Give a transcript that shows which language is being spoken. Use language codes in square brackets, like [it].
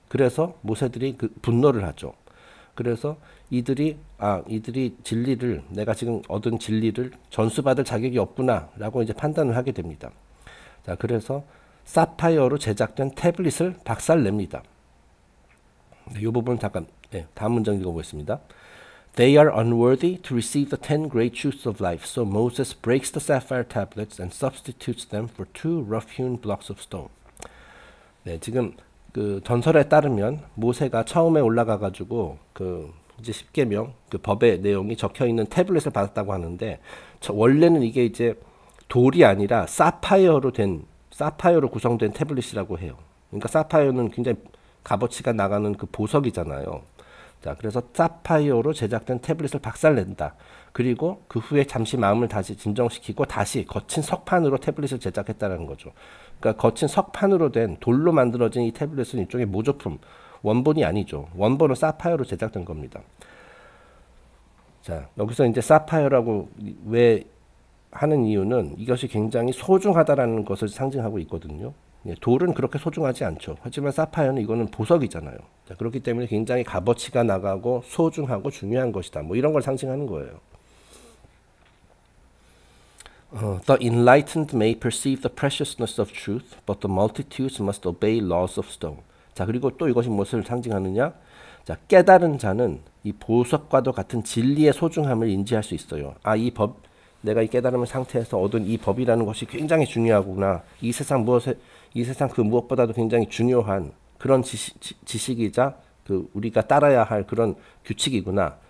[ko] 그래서 모세들이 그 분노를 하죠. 그래서 이들이 진리를, 내가 지금 얻은 진리를 전수받을 자격이 없구나라고 이제 판단을 하게 됩니다. 자, 그래서 사파이어로 제작된 태블릿을 박살냅니다. 네, 이 부분 잠깐, 네, 다음 문장 읽어보겠습니다. [en] They are unworthy to receive the ten great truths of life, so Moses breaks the sapphire tablets and substitutes them for two rough-hewn blocks of stone. [ko] 네, 지금 그 전설에 따르면 모세가 처음에 올라가가지고 그 이제 십계명 그 법의 내용이 적혀 있는 태블릿을 받았다고 하는데 원래는 이게 이제 돌이 아니라 사파이어로 구성된 태블릿이라고 해요. 그러니까 사파이어는 굉장히 값어치가 나가는 그 보석이잖아요. 자, 그래서 사파이어로 제작된 태블릿을 박살낸다. 그리고 그 후에 잠시 마음을 다시 진정시키고 다시 거친 석판으로 태블릿을 제작했다는 거죠. 그러니까 거친 석판으로 된 돌로 만들어진 이 태블릿은 일종의 모조품, 원본이 아니죠. 원본은 사파이어로 제작된 겁니다. 자, 여기서 이제 사파이어라고 왜 하는 이유는 이것이 굉장히 소중하다라는 것을 상징하고 있거든요. 돌은 그렇게 소중하지 않죠. 하지만 사파이어는 이거는 보석이잖아요. 그렇기 때문에 굉장히 값어치가 나가고 소중하고 중요한 것이다. 뭐 이런 걸 상징하는 거예요. [en] The enlightened may perceive the preciousness of truth, but the multitudes must obey laws of stone. [ko] 자, 그리고 또 이것이 무엇을 상징하느냐? 자, 깨달은 자는 이 보석과도 같은 진리의 소중함을 인지할 수 있어요. 아, 이 법, 내가 이 깨달음을 상태에서 얻은 이 법이라는 것이 굉장히 중요하구나. 이 세상 무엇에, 이 세상 그 무엇보다도 굉장히 중요한 그런 지식이자 그 우리가 따라야 할 그런 규칙이구나.